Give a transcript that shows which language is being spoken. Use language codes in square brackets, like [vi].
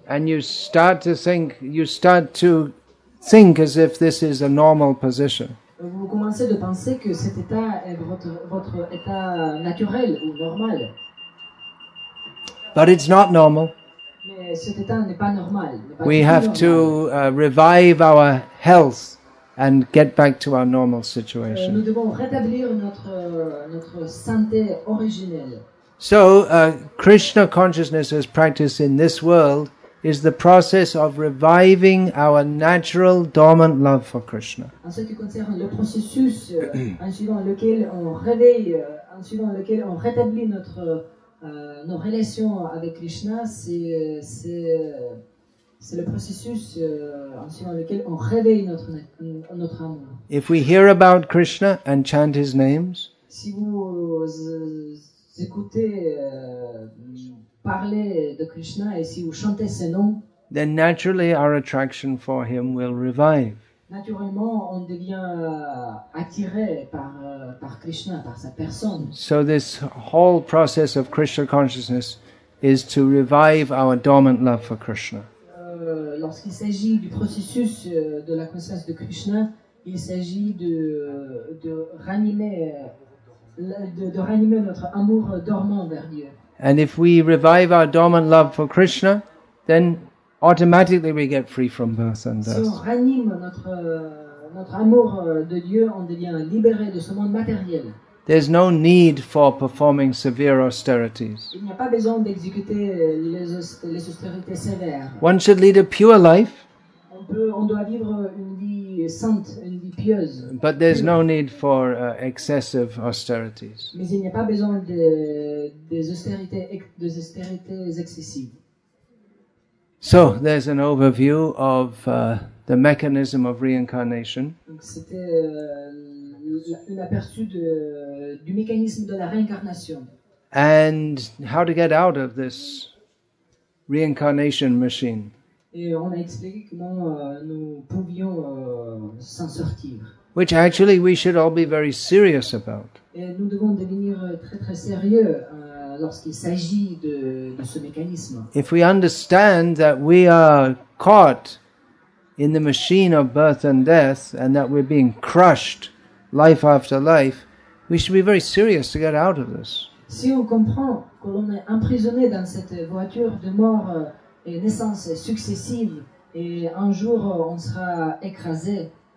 [en] And you start to think as if this is a normal position. [fr] Vous commencez de penser que cet état est votre état naturel ou normal. [en] But it's not normal. [fr] Mais cet état n'est pas normal. [en] We have to revive our health and get back to our normal situation. [fr] Nous devons rétablir notre santé originelle. [en] So, Krishna consciousness as practiced in this world is the process of reviving our natural dormant love for Krishna. [fr] En ce qui concerne le processus en suivant lequel on réveille, en suivant lequel on rétablit nos relations avec Krishna, c'est le processus en suivant lequel on réveille notre amour. [en] If we hear about Krishna and chant his names, [fr] si vous écoutez parler de Krishna et si vous chantez ses noms, [en] then naturally our attraction for him will revive. [fr] Naturellement, on devient attiré par Krishna, par sa personne. [en] So this whole process of Krishna consciousness is to revive our dormant love for Krishna. [fr] Lorsqu'il s'agit du processus de la conscience de Krishna, il s'agit de réanimer notre amour dormant vers Dieu. [en] And if we revive our dormant love for Krishna, then automatically we get free from birth and death. [fr] Si on ranime notre amour de Dieu, on devient libéré de ce monde matériel. [en] There's no need for performing severe austerities. [fr] Il n'y a pas besoin d'exécuter les austérités sévères. [en] One should lead a pure life. [fr] On doit vivre une vie sainte, une vie pieuse. [en] But there's no need for excessive austerities. [fr] Mais il n'y a pas besoin des austérités excessives. [en] So there's an overview of the mechanism of reincarnation. [fr] Donc c'était l'aperçu du mécanisme de la réincarnation. [en] And how to get out of this reincarnation machine. [fr] Et on a expliqué comment nous pouvions s'en sortir. [en] Which actually we should all be very serious about. [fr] Et nous devons devenir très très sérieux lorsqu'il s'agit de ce mécanisme. [en] If we understand that we are caught in the machine of birth and death and that we're being crushed life after life, we should be very serious to get out of this. [fr] Si on comprend que l'on est emprisonné dans cette voiture de mort et naissance successive et un jour on sera écrasé.